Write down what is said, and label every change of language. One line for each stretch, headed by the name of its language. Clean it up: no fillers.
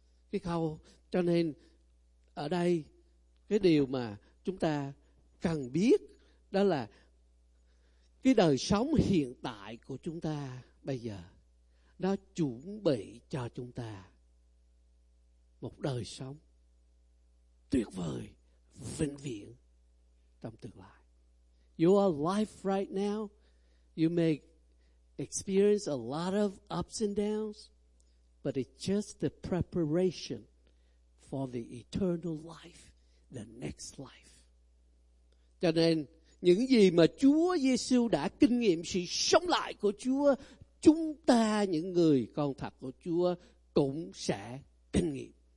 Vietnamese: Cái câu, cho nên ở đây cái điều mà chúng ta cần biết đó là cái đời sống hiện tại của chúng ta bây giờ nó chuẩn bị cho chúng ta một đời sống tuyệt vời, vĩnh viễn trong tương lai.
English: Your life right now, you may experience a lot of ups and downs, but it's just the preparation for the eternal life, the next life.
Vietnamese: Cho nên những gì mà Chúa Giêsu đã kinh nghiệm sự sống lại của Chúa, chúng ta những người con thật của Chúa cũng sẽ kinh nghiệm.